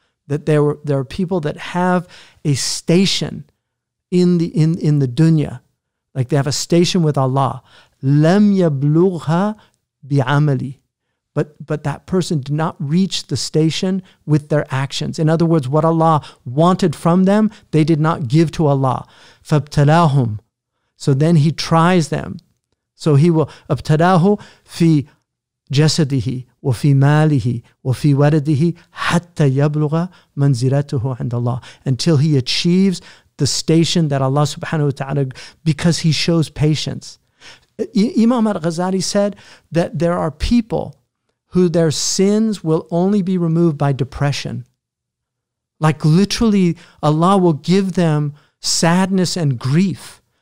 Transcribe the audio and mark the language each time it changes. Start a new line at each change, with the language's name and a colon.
English: That there are people that have a station in the dunya, like they have a station with Allah.
Arabic: لَمْ يَبْلُغْهَا بِعَمَلِي.
English: But that person did not reach the station with their actions. In other words, what Allah wanted from them, they did not give to Allah.
Arabic: فَابْتَلَاهُمْ.
English: So then he tries them. So he will,
Arabic: أَبْتَلَاهُ فِي جَسَدِهِ وَفِي مَالِهِ وَفِي وَلَدِهِ حَتَّى يَبْلُغَ مَنْزِلَتُهُ عِنْدَ اللَّهِ.
English: Until he achieves the station that Allah subhanahu wa ta'ala, because he shows patience. Imam al-Ghazali said that there are people who their sins will only be removed by depression. Like literally, Allah will give them sadness and grief.